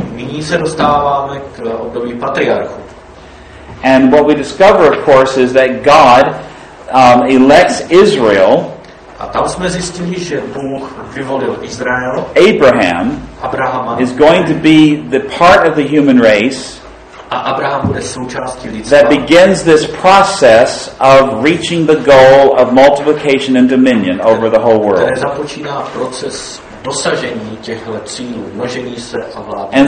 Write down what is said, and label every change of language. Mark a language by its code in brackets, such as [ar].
[cs] Nyní se dostáváme k období patriarchu. [en] And what we discover, of course, is that God elects Israel. [cs] A tam jsme zjistili, že Bůh vyvolil Izrael. [en] Abraham, [cs] Abrahama, [en] is going to be the part of the human race. [cs] A Abraham bude součástí lidstva. [en] That begins this process of reaching the goal of multiplication and dominion over the whole world. [cs] Které započíná proces dosažení těchto cílů, množení se a vlády.